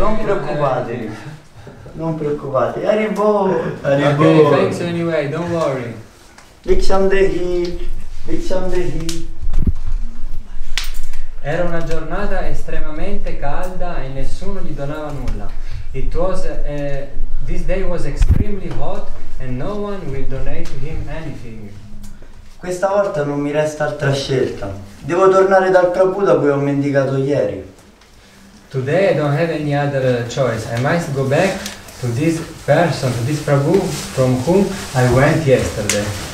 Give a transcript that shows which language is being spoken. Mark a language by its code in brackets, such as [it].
[it] Non preoccupatevi. Non preoccupate, arrivo! Arrivo! [en] Okay, thanks anyway, don't worry. [sa] Bhiksham Dehi, Bhiksham Dehi. [it] Era una giornata estremamente calda e nessuno gli donava nulla. [en] It was, this day was extremely hot and no one will donate to him anything. [it] Questa volta non mi resta altra scelta. Devo tornare dal Prabhu da cui ho mendicato ieri. [en] Today I don't have any other choice. I must go back to this person, to this Prabhu from whom I went yesterday.